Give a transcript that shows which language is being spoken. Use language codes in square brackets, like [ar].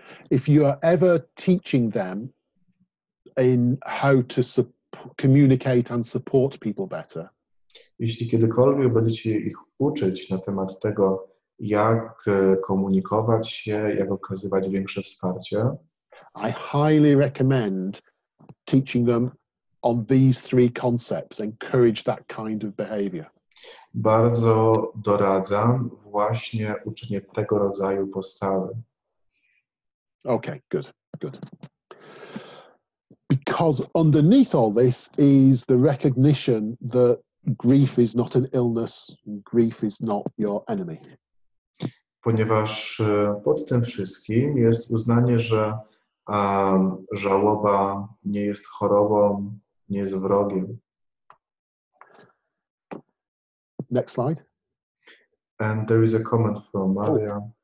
[en] If you are ever teaching them in how to communicate and support people better. [pl] Jeśli kiedykolwiek będziecie ich uczyć na temat tego, jak komunikować się, jak okazywać większe wsparcie, [en] I highly recommend teaching them on these three concepts, encourage that kind of behavior. [pl] Bardzo doradzam właśnie uczenie tego rodzaju postawy. [en] Okay, good. Because underneath all this is the recognition that grief is not an illness, grief is not your enemy. [pl] Ponieważ pod tym wszystkim jest uznanie, że żałoba nie jest chorobą, nie jest wrogiem. [en] Next slide. And there is a comment from Maria.